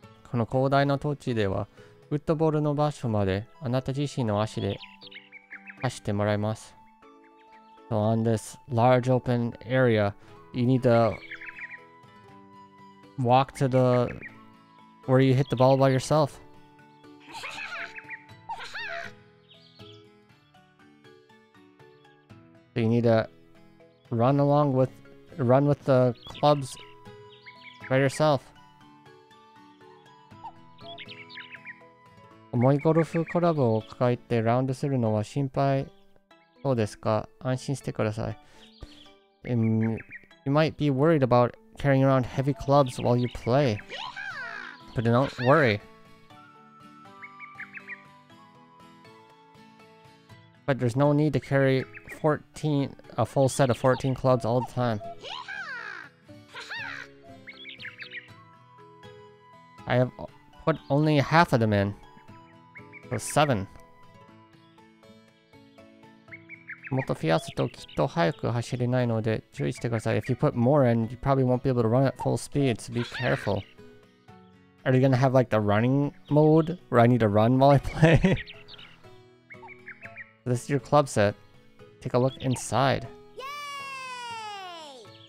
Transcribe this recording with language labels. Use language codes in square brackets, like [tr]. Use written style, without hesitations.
[ja] この広大な土地では、フットボールの場所まであなた自身の足で走ってもらいます。 [en] So on this large open area, you need to walk to the where you hit the ball by yourself. So you need to run with the clubs by yourself. [ja] 重いゴルフクラブを抱えてラウンドするのは心配そうですか? 安心してください。 [en] You might be worried about carrying around heavy clubs while you play. But don't worry. But there's no need to carry a full set of 14 clubs all the time. I have put only half of them in. So 7. [ja] もっと増やすときっと早く走れないので注意してください。 [en] If you put more in, you probably won't be able to run at full speed, so be careful. Are you gonna have like the running mode where I need to run while I play? This is your club set. Take a look inside. Yay!